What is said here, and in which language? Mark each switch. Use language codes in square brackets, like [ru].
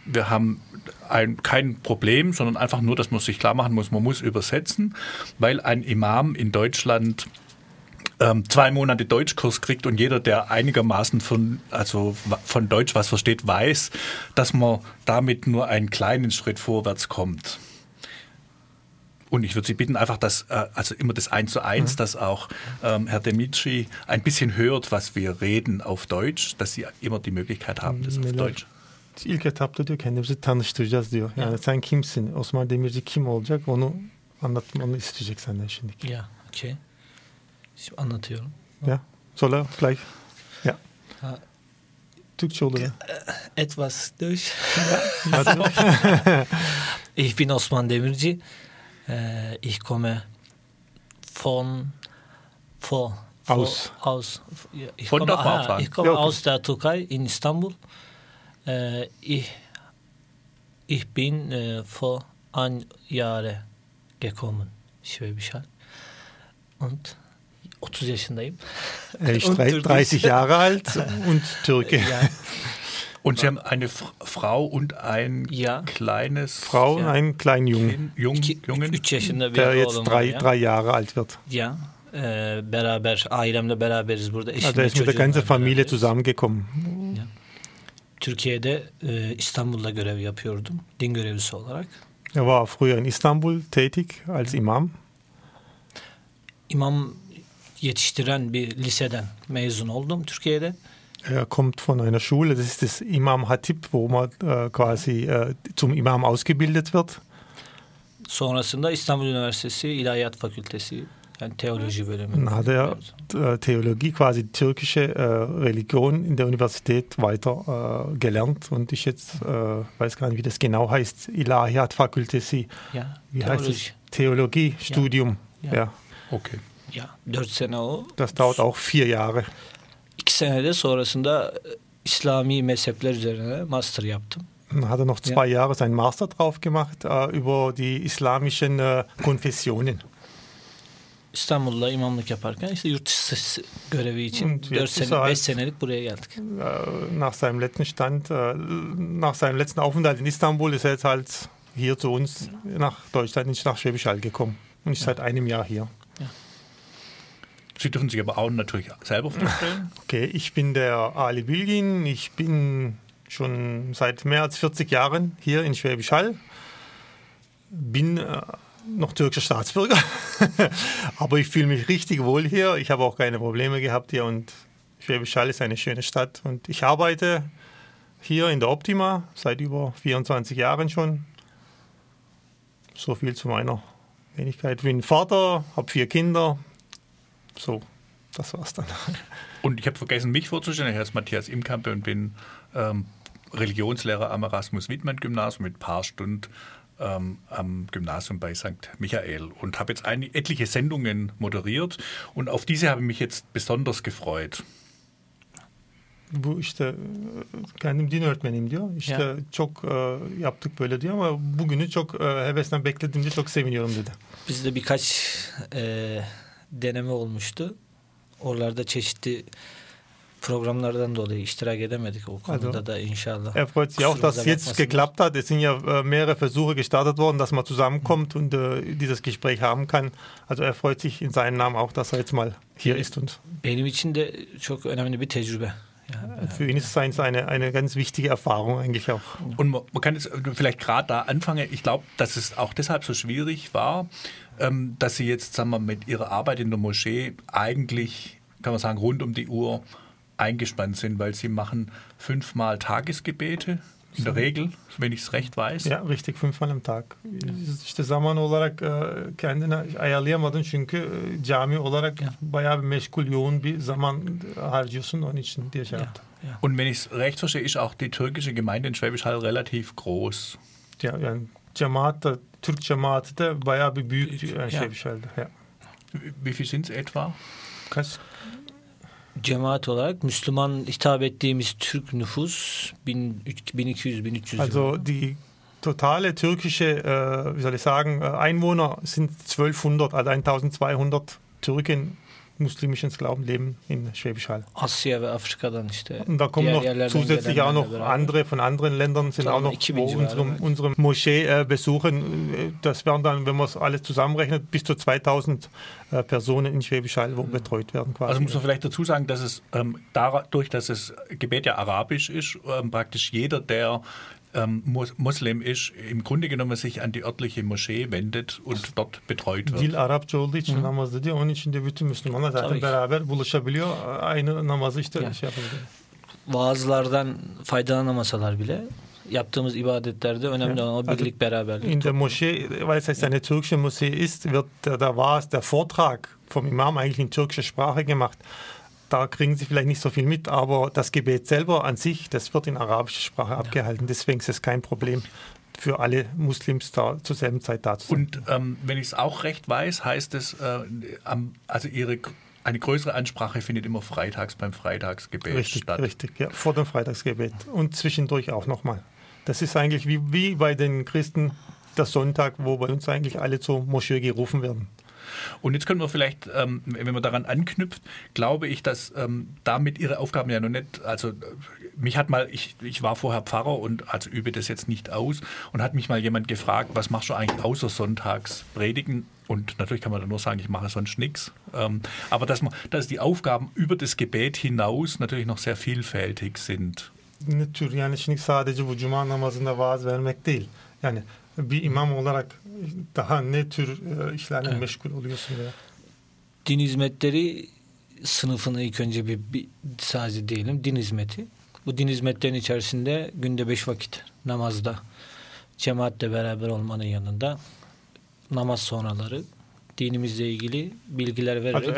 [de] Wir haben kein Problem, sondern einfach nur, dass man sich klar machen muss, man muss übersetzen, weil ein Imam in Deutschland 2 Monate Deutschkurs kriegt und jeder, der einigermaßen von Deutsch was versteht, weiß, dass man damit nur einen kleinen Schritt vorwärts kommt. Und ich würde Sie bitten, einfach das, also immer das 1:1, dass auch Herr Demirci ein bisschen hört, was wir reden auf Deutsch, dass Sie immer die Möglichkeit haben, das auf Deutsch. [tr] İlk etapta diyor kendimizi tanıştıracağız diyor. Yani sen kimsin? Osman Demirci kim olacak? Onu anlatmanı isteyecek senden şimdi. Ja, okay. Şimdi anlatıyorum. [de] Ja, soll er gleich. Ja. [tr] Türkçe olur. [de] Etwas Deutsch. Ich bin Osman Demirci. Ich komme von vor aus aus ich von komme, der ich komme ja, okay. aus der Türkei in Istanbul. Ich bin vor 1 Jahr gekommen, Schwäbischer, und [tr] 30 yaşındayım. [de] Ich bin 30 Jahre alt und Türke. Ja. Und Sie haben eine Frau und ein ja. kleines... Frau und ja. einen kleinen Jungen, der jetzt drei Jahre alt wird. [tr] Ja, beraber, ailemle beraberiz burada. Eşimle, [de] da ist mit der ganzen Familie zusammengekommen. Ja. [tr] Türkiye'de İstanbul'da görev yapıyordum, din görevlisi olarak. [de] Er war früher in Istanbul tätig als Imam. [tr] İmam yetiştiren bir liseden mezun oldum Türkiye'de. [de] Er kommt von einer Schule, das ist das Imam Hatip, wo man quasi zum Imam ausgebildet wird. [tr] Sonrasında İstanbul Üniversitesi İlahiyat Fakültesi, yani Theologie bölümü. [de] Dann hat er Theologie, quasi die türkische Religion in der Universität weiter gelernt. Und ich jetzt weiß gar nicht, wie das genau heißt, İlahiyat Fakültesi. Ja, wie heißt das? Theologie, Studium. Ja. Ja. Okay. [tr] Ja, 4 sene o. [de] Das dauert auch 4 Jahre. [tr] 2 senede sonrasında İslami mezhepler üzerine master yaptım. [de] Hat er noch 2 Jahre seinen Master drauf gemacht über die islamischen Konfessionen. [tr] İstanbul'da imamlık yaparken işte yurt dışı görevi için 4 senelik buraya geldik. [de] Nach seinem letzten Stand, nach seinem letzten Aufenthalt in Istanbul ist er jetzt halt hier zu uns nach Deutschland, nach Schwäbisch Hall gekommen und ist seit einem Jahr hier. Sie dürfen sich aber auch natürlich selber vorstellen. Okay, ich bin der Ali Bilgin. Ich bin schon seit mehr als 40 Jahren hier in Schwäbisch Hall. Bin noch türkischer Staatsbürger, aber ich fühle mich richtig wohl hier. Ich habe auch keine Probleme gehabt hier und Schwäbisch Hall ist eine schöne Stadt. Und ich arbeite hier in der Optima seit über 24 Jahren schon. So viel zu meiner Wenigkeit. Bin Vater, habe 4 Kinder. So, das war's dann. Und ich habe vergessen, mich vorzustellen. Ich heiße Matthias Imkampe und bin Religionslehrer am Erasmus-Wittmann-Gymnasium mit ein paar Stunden am Gymnasium bei St. Michael und habe jetzt etliche Sendungen moderiert und auf diese habe ich mich jetzt besonders gefreut. [tr] Bu işte kendim din öğretmeniyim diyor. İşte ja. çok yaptık böyle diyor ama bugünü çok hevesle bekledim diye çok seviniyorum dedi. Bizde birkaç deneme olmuştu. Oralarda çeşitli programlardan dolayı iştirak edemedik o konuda also, da inşallah. [de] Er freut sich auch, dass es jetzt geklappt hat. Es sind ja mehrere Versuche gestartet worden, dass man zusammenkommt und dieses Gespräch haben kann. Also er freut sich in seinem Namen auch, dass er jetzt mal hier ist. Und [tr] benim için de çok önemli bir tecrübe. [de] Für ihn ist es eine ganz wichtige Erfahrung eigentlich auch. Und man kann jetzt vielleicht gerade da anfangen. Ich glaube, dass es auch deshalb so schwierig war, dass Sie jetzt, sagen wir, mit Ihrer Arbeit in der Moschee eigentlich, kann man sagen, rund um die Uhr eingespannt sind, weil Sie machen 5-mal Tagesgebete. In der Regel, wenn ich es recht weiß. Ja, richtig, fünfmal am Tag. Ja. [tr] İşte zaman olarak kendini ayarlayamadın çünkü cami olarak bayağı bir meşgul, yoğun bir zaman harcıyorsun onun için diye şey yaptım. [de] Ja. Ja. Und wenn ich es recht verstehe, ist auch die türkische Gemeinde in Schwäbisch Hall relativ groß. [tr] Ja, yani cemaat da, Türk cemaati de bayağı bir büyük yani Schwäbisch Hall'da. Ja. [de] Wie viel sind es etwa? [tr] Kaç? Cemaat olarak Müslüman hitap ettiğimiz Türk nüfus 1200-1300. [de] Also die totale türkische, wie soll ich sagen, Einwohner sind 1200, also 1200 Türken muslimischen Glauben leben in Schwäbisch Hall. [tr] Asya ve Afrika'dan işte. [de] Und da kommen noch zusätzlich auch noch andere von anderen Ländern, sind auch noch unsere Moschee besuchen. Das wären dann, wenn man es alles zusammenrechnet, bis zu 2000 Personen in Schwäbisch Hall, wo betreut werden quasi. Also muss man vielleicht dazu sagen, dass es dadurch, dass das Gebet ja arabisch ist, praktisch jeder, der Muslim ist, im Grunde genommen sich an die örtliche Moschee wendet und dort betreut wird. [tr] Dil Arapça olduğu için namazı diyor. Onun için de bütün Müslümanlar zaten beraber buluşabiliyor. Aynı namazı işte şey yapabiliyor. Vaazlardan faydalanamasalar bile yaptığımız ibadetlerde önemli olan o birlik, beraberlik. [de] In der Moschee, weil es jetzt eine türkische Moschee ist, wird der Vaaz, der Vortrag vom Imam eigentlich in türkischer Sprache gemacht. Da kriegen sie vielleicht nicht so viel mit, aber das Gebet selber an sich, das wird in arabischer Sprache abgehalten. Deswegen ist es kein Problem für alle Muslims, da zur selben Zeit da zu sein. Und wenn ich es auch recht weiß, heißt es, also eine größere Ansprache findet immer freitags beim Freitagsgebet statt. Richtig, ja, vor dem Freitagsgebet und zwischendurch auch nochmal. Das ist eigentlich wie bei den Christen der Sonntag, wo bei uns eigentlich alle zur Moschee gerufen werden. Und jetzt können wir vielleicht, wenn man daran anknüpft, glaube ich, dass damit Ihre Aufgaben ja noch nicht, also mich hat mal, ich war vorher Pfarrer und also übe das jetzt nicht aus und hat mich mal jemand gefragt, was machst du eigentlich außer sonntags predigen? Und natürlich kann man dann nur sagen, ich mache sonst nichts. Aber dass die Aufgaben über das Gebet hinaus natürlich noch sehr vielfältig sind. [tr] Natürlich, yani şimdi sadece bu cuma namazında vaaz vermek değil. Yani bir imam olarak daha ne tür işlerle meşgul oluyorsun veya? Din hizmetleri sınıfını ilk önce bir sadece diyelim, din hizmeti. Bu din hizmetlerin içerisinde günde 5 vakit namazda, cemaatle beraber olmanın yanında namaz sonraları, dinimizle ilgili bilgiler vererek